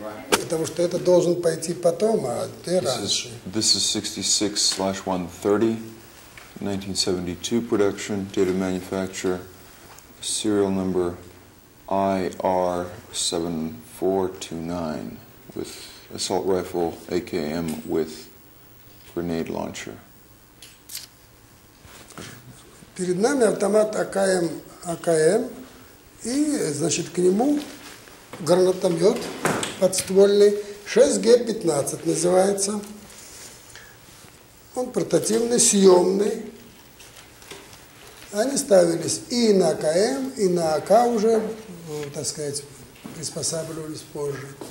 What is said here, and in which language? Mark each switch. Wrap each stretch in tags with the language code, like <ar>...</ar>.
<ru>Потому что это должен пойти потом, а ты раньше.</ru> <en>This is 66/130, 1972 production, date of manufacture, serial number IR7429, with assault rifle, AKM, with grenade launcher.</en> <ru>Перед нами автомат АКМ, и, значит, к нему гранатомет подствольный, 6Г-15 называется. Он портативный, съемный. Они ставились и на АКМ, и на АК уже, так сказать, приспосабливались позже.</ru>